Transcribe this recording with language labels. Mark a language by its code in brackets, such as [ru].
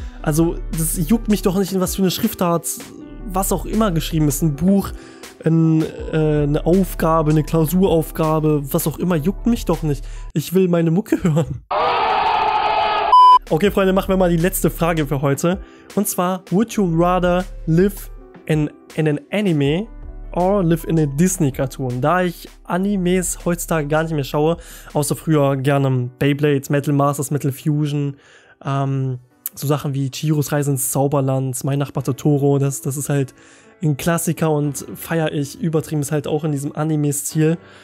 [de] Also das juckt mich doch nicht, in was für eine Schriftart, was auch immer geschrieben ist. Ein Buch, eine Aufgabe, eine Klausuraufgabe, was auch immer, juckt mich doch nicht. Ich will meine Mucke hören. Okay, Freunde, machen wir mal die letzte Frage für heute. Und zwar, [en] would you rather live in an anime or live in a Disney-Cartoon? [de] Da ich Animes heutzutage gar nicht mehr schaue, außer früher gerne Beyblades, Metal Masters, Metal Fusion, so Sachen wie Chihiros Reise ins Zauberland, Mein Nachbar Totoro, das ist halt ein Klassiker und feiere ich übertrieben, ist halt auch in diesem Anime-Stil.